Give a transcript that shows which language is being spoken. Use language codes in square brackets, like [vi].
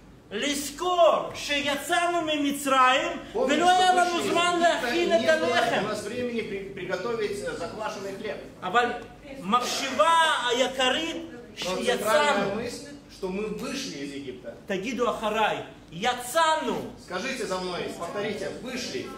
[he] לזכור שיצאנו ממצרים ולא היה לנו זמן להכין את הלחם. [ru] У нас времени приготовить заквашенный хлеб. [he] אבל מחשבה העיקרית שיצאנו. [ru] Что мы вышли из Египта. [he] תגידו אחריי. Яцану. [ru] Скажите за мной, повторите, вышли.